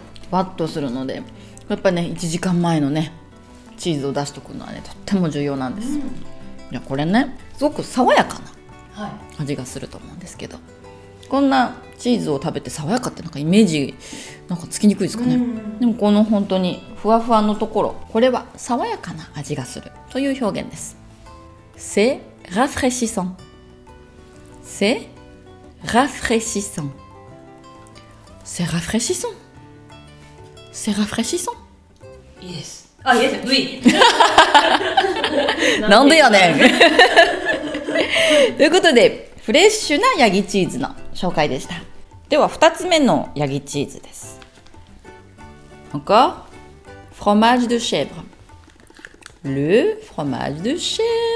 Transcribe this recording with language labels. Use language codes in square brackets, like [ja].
[ja] ワッとするので、やっぱね1時間前のねチーズを出しておくのはね、とっても重要なんです、うん、じゃあこれね、すごく爽やかな味がすると思うんですけど、はい、こんなチーズを食べて爽やかってなんかイメージなんかつきにくいですかね、うん、でもこの本当にふわふわのところ、これは爽やかな味がするという表現です。 [fr] C'est rafraîchissant、 C'est rafraîchissant、 C'est rafraîchissant、 C'est rafraîchissant、 [en] Yes、 [ja] あ、イエス、ウィなんでやねんということで、フレッシュなヤギチーズの紹介でした。では2つ目のヤギチーズです。 [fr] Encore fromage de chèvre、 Le fromage de chèvre、